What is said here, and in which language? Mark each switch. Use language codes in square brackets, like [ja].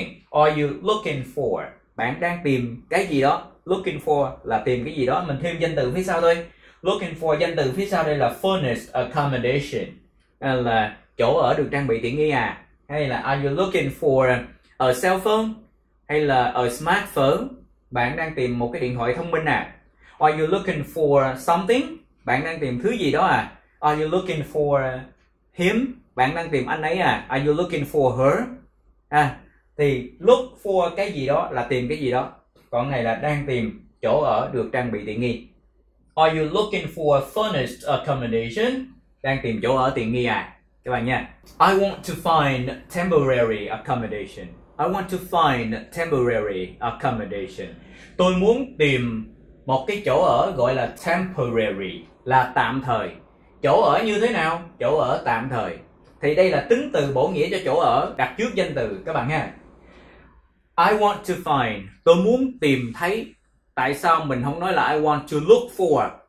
[en] Are you looking for? [vi] Bạn đang tìm cái gì đó. [en] Looking for [vi] là tìm cái gì đó. Mình thêm danh từ phía sau thôi. Looking for danh từ phía sau đây là [en] furnished accommodation, [vi] là chỗ ở được trang bị tiện nghi à. [en] Hay là are you looking for a cell phone? Hay là a smartphone? [vi] Bạn đang tìm một cái điện thoại thông minh à. [en] Are you looking for something? [vi] Bạn đang tìm thứ gì đó à. [en] Are you looking for him? [vi] Bạn đang tìm anh ấy à. [en] Are you looking for her? [vi] À, thì look for cái gì đó là tìm cái gì đó. Còn này là đang tìm chỗ ở được trang bị tiện nghi. [en] Are you looking for furnished accommodation? [vi] Đang tìm chỗ ở tiện nghi à? Các bạn nha. [en] I want to find temporary accommodation. I want to find temporary accommodation. [vi] Tôi muốn tìm một cái chỗ ở gọi là temporary, là tạm thời. Chỗ ở như thế nào? Chỗ ở tạm thời. Thì đây là tính từ bổ nghĩa cho chỗ ở, đặt trước danh từ các bạn nha. [en] I want to find. [vi] Tôi muốn tìm thấy. Tại sao mình không nói là [en] I want to look for?